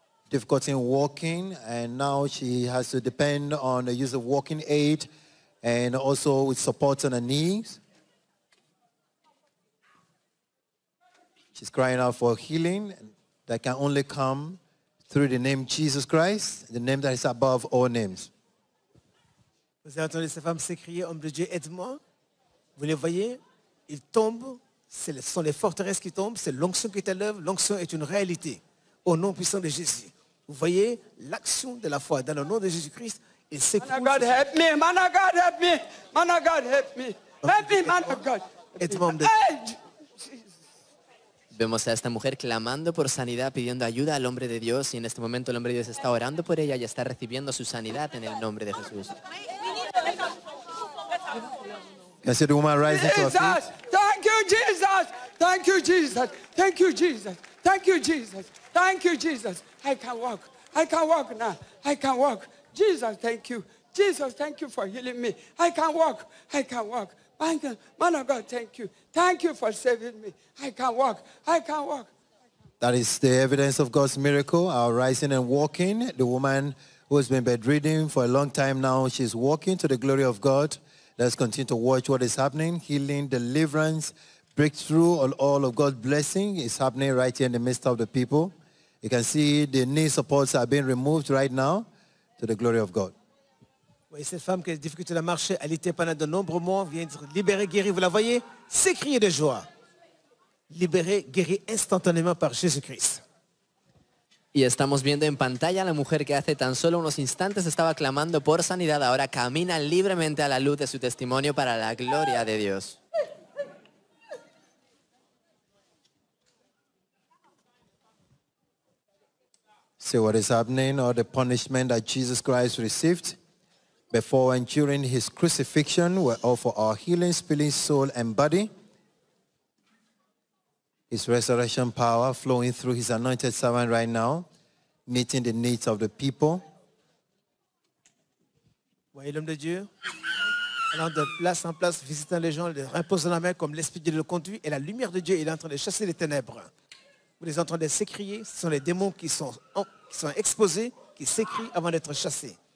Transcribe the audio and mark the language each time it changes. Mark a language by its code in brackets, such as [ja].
[en] Difficulty in walking, and now she has to depend on the use of walking aid and also with support on her knees. She's crying out for healing that can only come through the name Jesus Christ, the name that is above all names. [fr] Vous avez entendu cette femme s'écrier, homme de Dieu, aide-moi. Vous le voyez, il tombe, ce sont les forteresses qui tombent, c'est l'onction qui est à l'œuvre, l'onction est une réalité au nom puissant de Jésus. Vous voyez l'action de la foi dans le nom de Jésus-Christ et c'est [en] Man of God, help me. Man of God, help me. Man of God, help me. Help me, man of God. [es] Vemos a esta mujer clamando por sanidad, pidiendo ayuda al hombre de Dios y en este momento el hombre de Dios está orando por ella y está recibiendo su sanidad en el nombre de Jesús. [en] Can see the woman rising to her feet. Jesus, thank you, Jesus. Thank you, Jesus. Thank you, Jesus. Thank you, Jesus. Thank you, Jesus. I can walk. I can walk now. I can walk. Jesus, thank you. Jesus, thank you for healing me. I can walk. I can walk. Man of God, thank you. Thank you for saving me. I can walk. I can walk. That is the evidence of God's miracle, our rising and walking. The woman who has been bedridden for a long time now, she's walking to the glory of God. Let's continue to watch what is happening. Healing, deliverance, breakthrough, all of God's blessing is happening right here in the midst of the people. You can see the knee supports are being removed right now to the glory of God. [fr] Oui, cette femme qui a des difficultés à marcher, elle était pendant de nombreux mois, vient d'être libérée, guérie, vous la voyez, s'écrier de joie. Libérée, guérie instantanément par Jésus-Christ. [es] Y estamos viendo en pantalla a la mujer que hace tan solo unos instantes estaba clamando por sanidad, ahora camina libremente a la luz de su testimonio para la gloria de Dios. [en] See what is happening, or the punishment that Jesus Christ received before and during his crucifixion were all for our healing, spirit, soul, and body. His resurrection power flowing through his anointed servant right now, meeting the needs of the people. [fr] Voyez l'homme de Dieu, allant de place en place, visitant les gens, les reposant la main comme l'Esprit de Dieu le conduit, et la lumière de Dieu est en train de chasser les ténèbres. Vous les entendez s'écrier, ce sont les démons qui sont exposés, qui s'écrient avant d'être chassés.